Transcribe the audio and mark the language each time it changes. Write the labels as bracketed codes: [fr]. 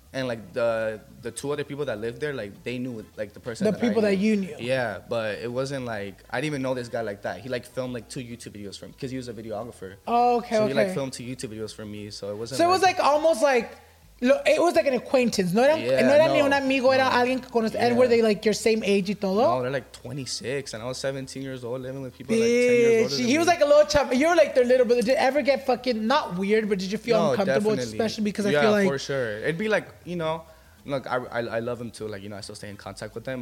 [en] And like the two other people that lived there, like they knew like the person. The people that you knew. Yeah, but it wasn't like I didn't even know this guy like that. He like filmed like two YouTube videos for me because he was a videographer. Oh, okay. So he like filmed two YouTube videos for me. So it wasn't. So it was like almost like It was like an acquaintance. [es] No era ni un amigo, era alguien que conoce. [en] And were they like your same age [es] y todo? [en] No, they're like 26. And I was 17 years old, living with people like 10 years old. He was like a little chubby. You were like their little brother. Did it ever get fucking, not weird, but did you feel uncomfortable? Definitely. Especially because I feel like. Yeah, for sure. It'd be like, you know, look, I love him too. Like, you know, I still stay in contact with them.